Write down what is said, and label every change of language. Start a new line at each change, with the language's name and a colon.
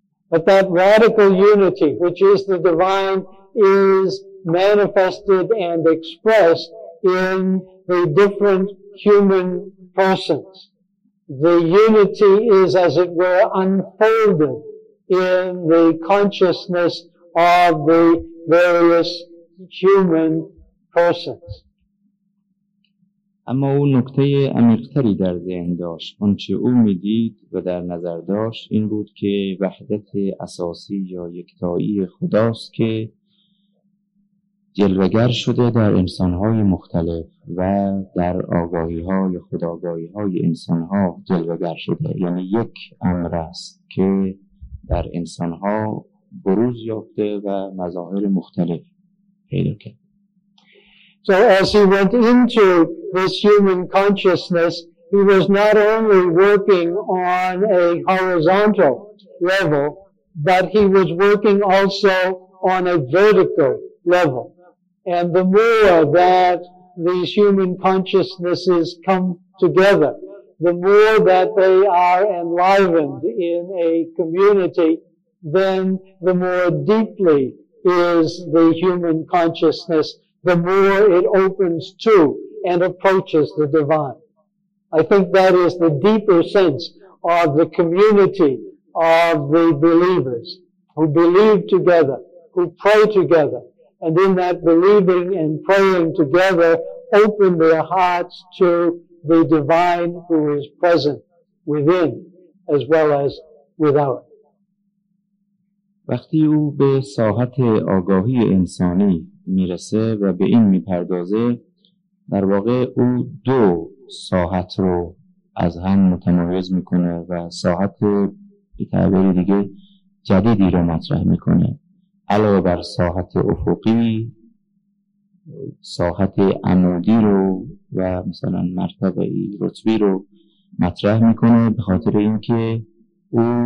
English: But that radical unity which is the divine is manifested and expressed in the different human persons. The unity is, as it were, unfolded in the consciousness of the various human persons.
Persian: اما او نکته عمیق‌تری در ذهن داشت. آنچه او می‌دید و در نظر داشت این بود که وحدت اساسی یا یکتایی خداست که جلوه‌گر شده در انسان‌های مختلف و در آگاهی‌های خودآگاهی‌های انسان‌ها جلوه‌گر شده. یعنی یک امر است که در انسان‌ها بروز یافته و مظاهر مختلف پیدا کرده.
English: So as he went into this human consciousness, he was not only working on a horizontal level, but he was working also on a vertical level. And the more that these human consciousnesses come together, the more that they are enlivened in a community, then the more deeply is the human consciousness, the more it opens to and approaches the divine. I think that is the deeper sense of the community of the believers who believe together, who pray together, and in that believing and praying together, open their hearts to the divine who is present within as well as without.
Persian: وقتی او به ساحت آگاهی انسانی میرسه و به این میپردازه، در واقع او دو ساحت رو از هم متمایز میکنه و ساحت به تعبیر دیگه جدیدی رو مطرح میکنه، علاوه بر ساحت افقی، ساحت عمودی رو و مثلا مرتبه ای رتبی رو مطرح میکنه، به خاطر اینکه او